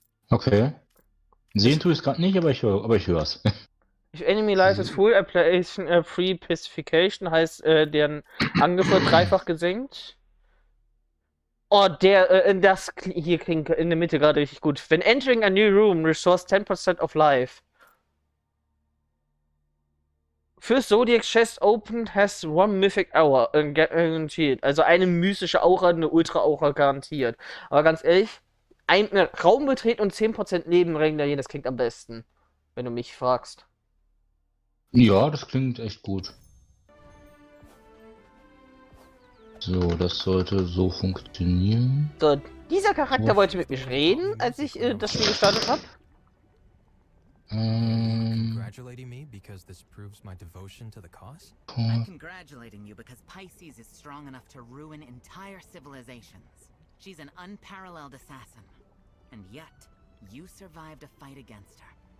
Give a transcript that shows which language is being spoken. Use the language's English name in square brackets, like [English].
[German] Okay. Sehen tue ich es gerade nicht, aber ich höre es. [English] If enemy life is full, application free pacification [German] heißt, deren Angriff wird dreifach gesenkt. Oh, das hier klingt in der Mitte gerade richtig gut. [English] When entering a new room, restores 10% of life. First Zodiac Chest opened has one mythic aura garantiert. [German] Also eine mystische Aura, eine Ultra-Aura garantiert. Aber ganz ehrlich, ein Raum betreten und 10% Leben regenerieren, das klingt am besten, wenn du mich fragst. Ja, das klingt echt gut. So, das sollte so funktionieren. So, dieser Charakter So. wollte mit mir reden, als ich das Spiel gestartet habe. [English] Congratulating me because this proves my devotion to the cause? I'm congratulating you because Pisces is strong enough to ruin entire civilizations. She's an unparalleled assassin. And yet, you survived a fight against her.